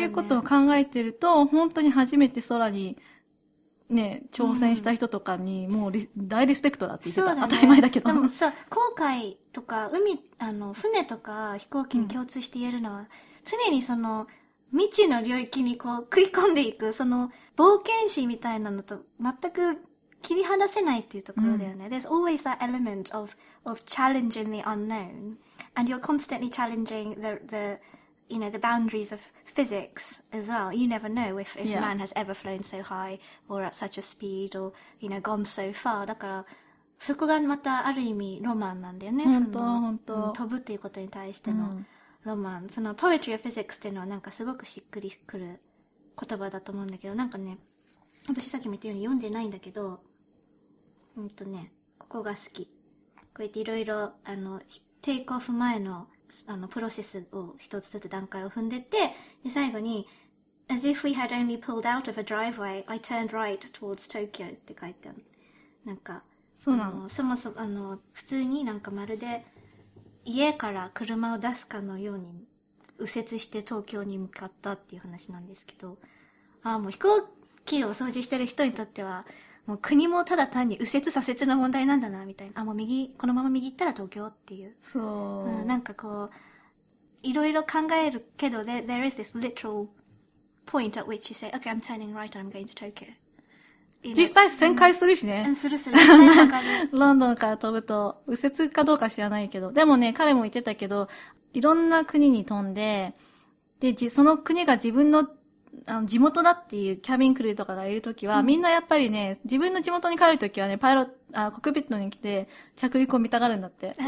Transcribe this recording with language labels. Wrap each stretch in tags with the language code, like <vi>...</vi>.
<ja>そういうことを考えてると、本当に初めて空に、ね、挑戦した人とかに、もう大リスペクトだって言ってた。そうだね、当たり前だけど。でもさ、航海とか、海、あの、船とか飛行機に共通して言えるのは、常にその、未知の領域にこう、食い込んでいく、その、冒険心みたいなのと、全く、切り離せないっていうところだよね。</ja> <en>There's always that element of challenging the unknown. And you're constantly challenging the, you know, the boundaries of physics as well. You never know if man has ever flown so high or at such a speed or, you know, gone so far.</en> <ja>だから、そこがまたある意味ロマンなんだよね。本当、本当。飛ぶっていうことに対してのロマン。その</ja> <en>poetry of physics</en> <ja>っていうのはなんかすごくしっくりくる言葉だと思うんだけど、なんかね、私さっきも言ったように読んでないんだけど、ね、ここが好き。こうやっていろいろ、あの、テイクオフ前の、あの、プロセスを一つずつ段階を踏んでって、で、最後に、</ja> <en>As if we had only pulled out of a driveway, I turned right towards Tokyo</en> <ja>って書いてある。なんか、そうなの。そもそも、あの、普通になんかまるで、家から車を出すかのように、右折して東京に向かったっていう話なんですけど、ああ、もう飛行機を操縦してる人にとっては、もう国もただ単に右折左折の問題なんだな、みたいな。あ、もう右、このまま右行ったら東京っていう。そう。うん、なんかこう、いろいろ考えるけど、</ja> <en>there is this literal point at which you say, okay, I'm turning right and I'm going to Tokyo.</en> <ja>実際旋回するしね。うん、するする。ロンドンから飛ぶと、右折かどうか知らないけど。でもね、彼も言ってたけど、いろんな国に飛んで、で、その国が自分の、あの地元だっていうキャビンクルーとかがいるときは、うん、みんなやっぱりね、自分の地元に帰るときはね、パイロット、コックピットに来て、着陸を見たがるんだって。</ja>